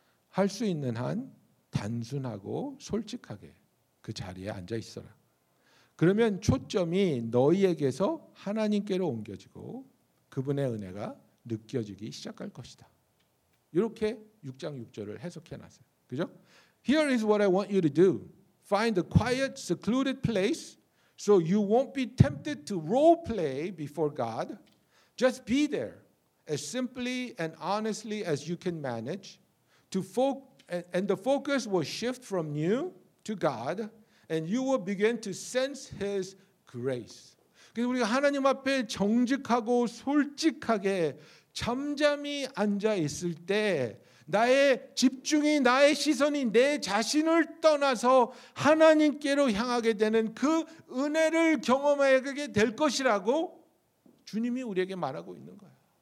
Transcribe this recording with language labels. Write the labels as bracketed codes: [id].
[ko] 할 수 있는 한 단순하고 솔직하게 그 자리에 앉아 있어라. 그러면 초점이 너희에게서 하나님께로 옮겨지고 그분의 은혜가 느껴지기 시작할 것이다. 이렇게 6장 6절을 해석해놨어요. 그죠? [en] Here is what I want you to do. Find a quiet, secluded place so you won't be tempted to role play before God. Just be there as simply and honestly as you can manage. And the focus will shift from you to God and you will begin to sense His grace. [ko] 그래서 우리가 하나님 앞에 정직하고 솔직하게 잠잠히 앉아 있을 때 나의 집중이 나의 시선이 내 자신을 떠나서 하나님께로 향하게 되는 그 은혜를 경험하게 될 것이라고 주님이 우리에게 말하고 있는 거예요.